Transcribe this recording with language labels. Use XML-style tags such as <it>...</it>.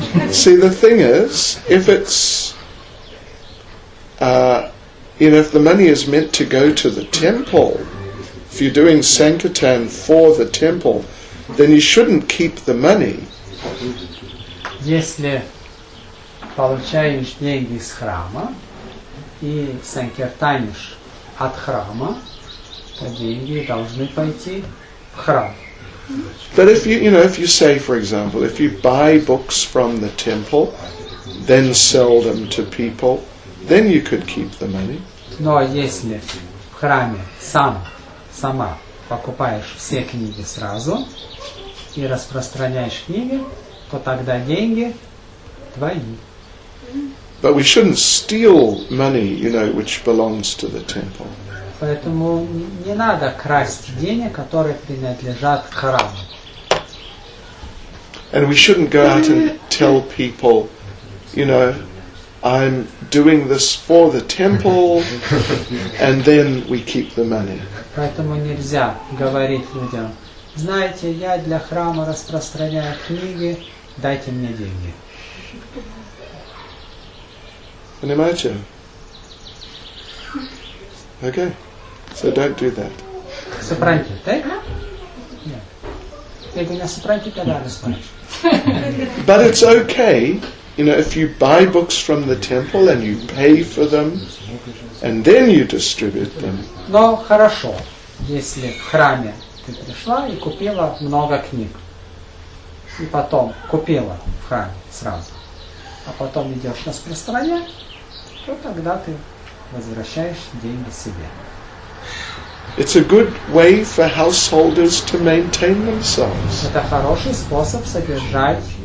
<en>See, the thing is, if the money is meant to go to the temple, if you're doing Sankirtan for the temple, then you shouldn't keep the money.</en> <ru>Если получаешь деньги из храма и санкиртанишь от храма, то деньги должны пойти в храм.</ru> <en>But if you say, for example, if you buy books from the temple, then sell them to people, then you could keep the money.</en> <ru>Но если в храме сама покупаешь все книги сразу и распространяешь книги, то тогда деньги твои.</ru> <en>But we shouldn't steal money, you know, which belongs to the temple.</en> <ru>Поэтому не надо красть деньги, которые принадлежат храму.</ru> <en>And we shouldn't go out and tell people, you know, I'm doing this for the temple, and then we keep the money.</en> <ru>Поэтому нельзя говорить людям, знаете, я для храма распространяю книги, дайте мне деньги. Понимаете?</ru> <en>Okay. So don't do that.</en> <ru>Сопранти, так? Нет. Я говорю, сопранти, тогда распространяю.</ru> <en>But it's okay. You know, if you buy books from the temple and you pay for them, and then you distribute them.</en> <ru>Но хорошо, если в храме ты пришла и купила много книг, и потом купила в храме сразу, а потом идешь распространять, то тогда ты возвращаешь деньги себе.</ru> <en>It's a good way for householders to maintain themselves.</en> <ru>Это хороший способ содержать</ru>